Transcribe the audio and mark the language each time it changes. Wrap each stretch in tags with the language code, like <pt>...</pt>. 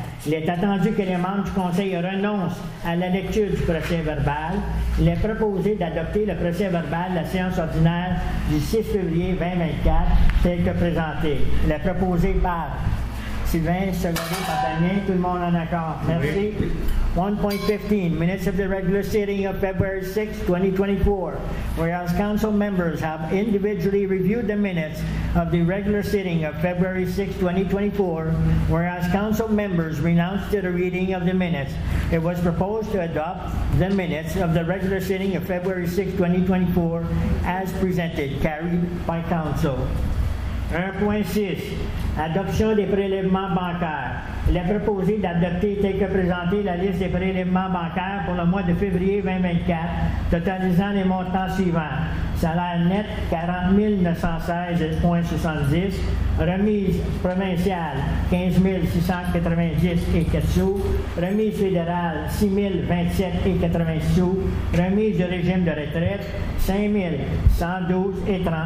<fr>Il est attendu que les membres du conseil renoncent à la lecture du procès verbal. Il est proposé d'adopter le procès verbal de la séance ordinaire du 6 février 2024 tel que présenté. Il est proposé par Sylvain, secondé par Daniel. Tout le monde en accord. Merci.</fr> <en>1.15, minutes of the regular sitting of February 6, 2024, whereas council members have individually reviewed the minutes of the regular sitting of February 6, 2024, whereas council members renounced to the reading of the minutes, it was proposed to adopt the minutes of the regular sitting of February 6, 2024, as presented, carried by council.</en> <fr>1.6, adoption des prélèvements bancaires. Il est proposé d'adopter tel que présenté la liste des prélèvements bancaires pour le mois de février 2024, totalisant les montants suivants. Salaire net 40 916,70, remise provinciale 15 690,04, remise fédérale 6 027,86, remise du régime de retraite 5 112,39.</fr>